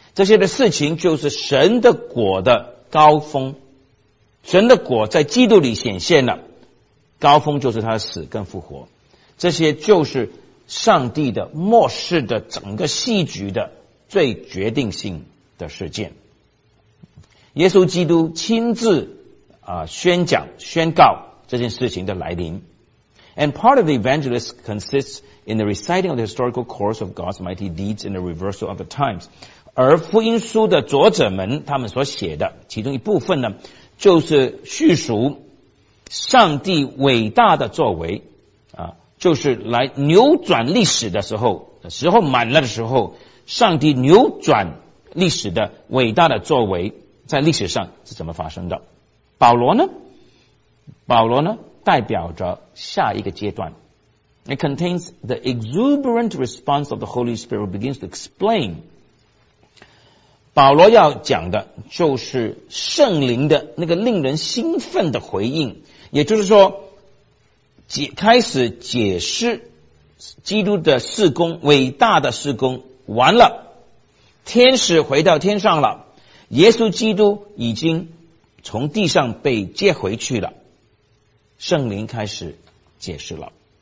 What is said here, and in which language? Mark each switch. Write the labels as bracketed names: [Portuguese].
[Chinese] 这些的事情就是神的国的高峰，神的国在基督里显现了，高峰就是他的死跟复活，这些就是上帝的末世的整个戏剧的最决定性的事件。耶稣基督亲自、宣讲宣告这件事情的来临。 [English] And part of the evangelist consists in the reciting of the historical course of God's mighty deeds in the reversal of the times. [Chinese] 而福音书的作者们他们所写的其中一部分呢，就是叙述上帝伟大的作为、就是来扭转历史的时候，时候满了的时候，上帝扭转历史的伟大的作为在历史上是怎么发生的。保罗呢，保罗呢代表着下一个阶段。 [English] It contains the exuberant response of the Holy Spirit who begins to explain。 [Chinese] 保罗要讲的就是圣灵的那个令人兴奋的回应，也就是说开始解释基督的事工，伟大的事工完了，天使回到天上了，耶稣基督已经从地上被接回去了，圣灵开始解释了。